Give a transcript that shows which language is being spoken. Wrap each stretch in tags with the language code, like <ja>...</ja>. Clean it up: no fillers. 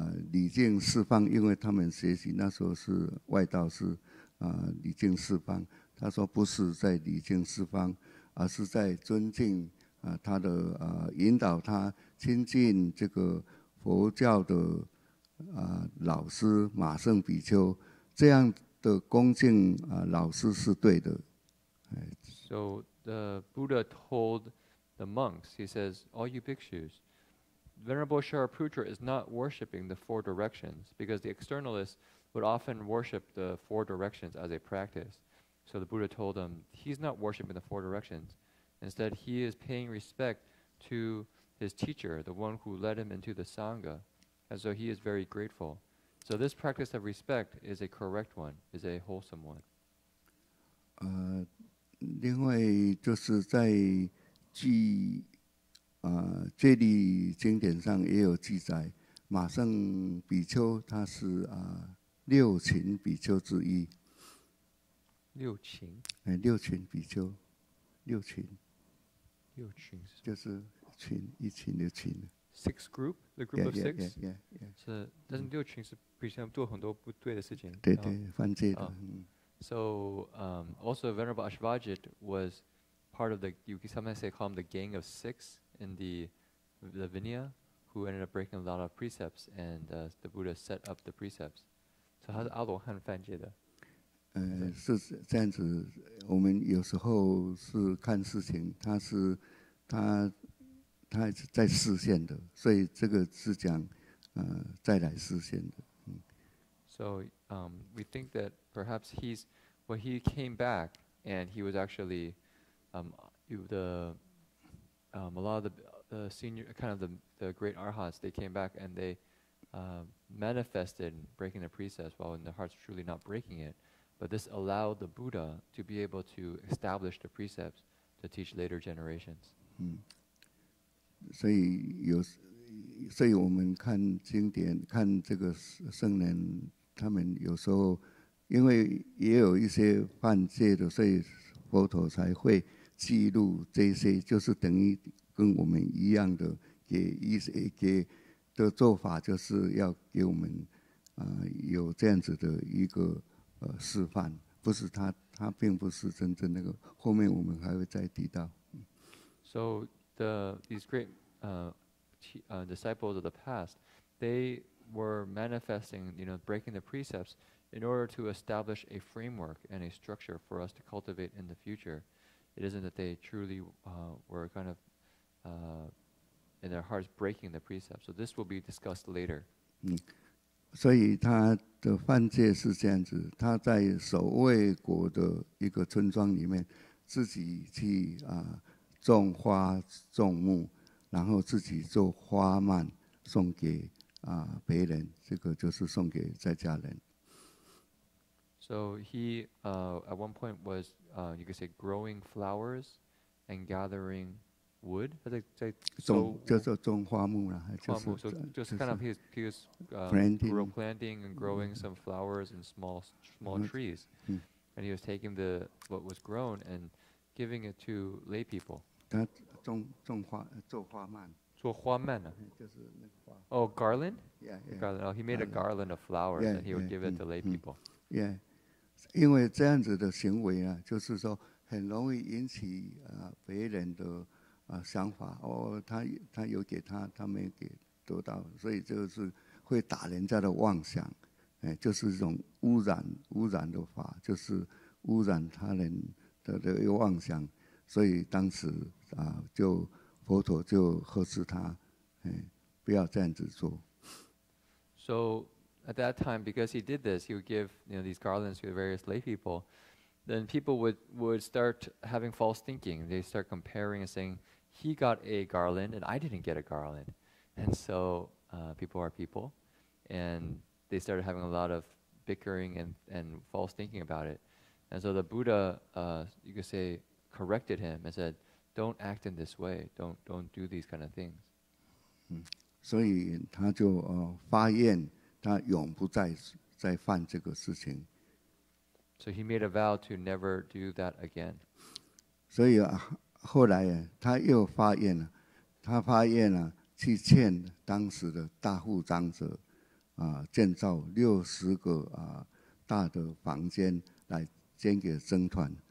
<zh>礼敬四方，因为他们学习那时候是外道是礼敬四方，他说不是在礼敬四方，而是在尊敬他的引导他亲近这个佛教的老师马胜比丘，这样的恭敬老师是对的。</zh> <en>So the Buddha told the monks, he says, all you bhikshus,Venerable Shariputra is not worshipping the four directions, because the externalists would often worship the four directions as a practice. So the Buddha told them, he's not worshipping the four directions. Instead, he is paying respect to his teacher, the one who led him into the Sangha, and so he is very grateful. So this practice of respect is a correct one, is a wholesome one.</en> <zh>另外就是在记这里经典上也有记载，马胜比丘他是六群比丘之一。六群？六群比丘，六群。六群是？就是群，一群的群。</zh> <en>Six group, the group of six. Yeah.</en> <zh>是，但是六群是比丘做很多不对的事情。对对，犯戒的。</zh> <en>So, also Venerable Ashvajit was part of the, you sometimes say call him the gang of six. In the Vinaya, who ended up breaking a lot of precepts, and the Buddha set up the precepts. So, how is</en> <zh>Alo Han Fan Jie? 是这样子。我们有时候是看事情，他是在视线的，所以这个是讲再来视线的。</zh> <en>So, we think that perhaps he's, well, he came back and he was actually the. A lot of the senior, kind of the great arhats, they came back and they manifested breaking the precepts while in their hearts truly not breaking it. But this allowed the Buddha to be able to establish the precepts to teach later generations.</en> <zh>所以我们看经典，看这个圣人，他们有时候因为也有一些犯戒的，所以佛陀才会记录这些，就是等于跟我们一样的，给的做法，就是要给我们有这样子的一个示范。不是他并不是真正那个，后面我们还会再提到。</zh> <en>So these great disciples of the past, they were manifesting, you know, breaking the precepts in order to establish a framework and a structure for us to cultivate in the future. It isn't that they truly were kind of in their hearts breaking the precepts. So this will be discussed later.</en> <zh>所以他的犯戒是这样子，他在守卫国的一个村庄里面，自己去种花种木，然后自己做花幔送给别人，这个就是送给在家人。</zh> <en>So he, at one point was, you could say, growing flowers and gathering wood.</en> <zh>他在种，就是种花木啦，就是。</zh> <en>花木 ，so just kind of he was planting and growing some flowers and small trees. And he was taking the what was grown and giving it to lay people.</en> <zh>他种花，做花蔓。做花蔓啊。</zh> <en>Oh, garland? Garland. Oh, he made a garland of flowers and he would give it to lay people. Yeah.</en> <zh>因为这样子的行为啊，就是说很容易引起别人的想法哦，他有给他，他没给得到，所以就是会打人家的妄想，哎，就是一种污染的法，就是污染他人的这个妄想，所以当时就佛陀就呵斥他，哎，不要这样子做。</zh> <en>So. At that time, because he did this, he would give these garlands to the various lay people, then people would start having false thinking. They start comparing and saying, he got a garland and I didn't get a garland. And so people are people. And they started having a lot of bickering and false thinking about it. And so the Buddha, you could say, corrected him and said, don't act in this way. Don't do these kind of things. So he said,</en> <zh>他永不再犯这个事情。</zh> <en>So he made a vow to never do that again.</en> <zh>所以后来他又发愿了，他发愿了去劝当时的大户长者建造60个大的房间来捐给僧团。</zh>